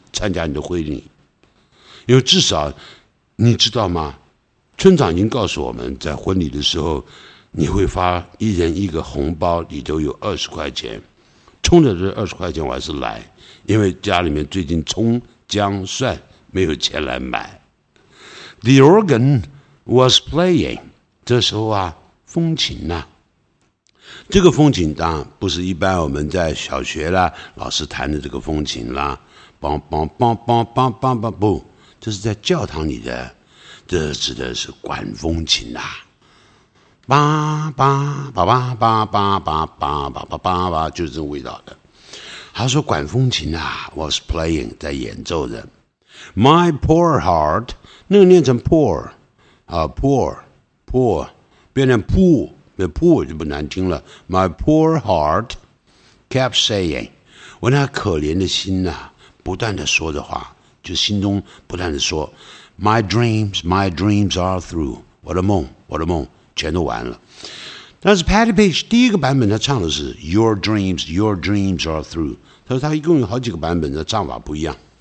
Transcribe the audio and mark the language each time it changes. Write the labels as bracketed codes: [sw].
[zh] 参加你的婚礼，因为至少你知道吗，村长已经告诉我们，在婚礼的时候你会发一人一个红包，里头有20块钱，冲着这20块钱我还是来，因为家里面最近葱姜蒜没有钱来买。 [en] The organ was playing， [zh] 这时候啊风琴啊，这个风景当然不是一般我们在小学啦老师弹的这个风景啦，梆梆梆梆梆梆梆，不，这是在教堂里的，这指的是管风琴啦。叭叭叭叭叭叭叭叭叭叭叭叭，就是这味道的。他说管风琴啊 ， [en] was playing [zh] 在演奏的。 [en] My poor heart， [zh] 那个念成 poor 啊 ，poor poor 变成 poor， 那 poor 就不难听了。 [en] My poor heart kept saying， [zh] 我那可怜的心呐、啊，不断的说的话，就心中不断的说 ， [en] My dreams are through， [zh] 我的梦，我的梦。全都完了。但是 Patti Page 第一个版本他唱的是 [en] Your dreams are through， [zh] 他说他一共有好几个版本的唱法不一样。